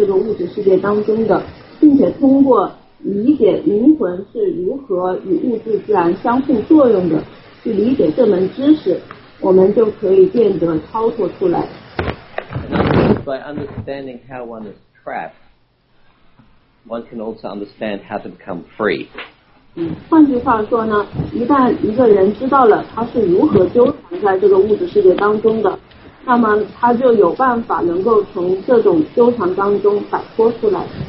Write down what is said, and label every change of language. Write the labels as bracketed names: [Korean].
[Chinese] 因此呢，这一章的要旨就在于去理解纯粹的生物体是如何变得纠缠于在这个物质世界当中的，并且通过 [English] By understanding how one is trapped, one can also understand how to become free. [Chinese] 换句话说呢，一旦一个人知道了他是如何纠缠在这个物质世界当中的，那么他就有办法能够从这种纠缠当中摆脱出来。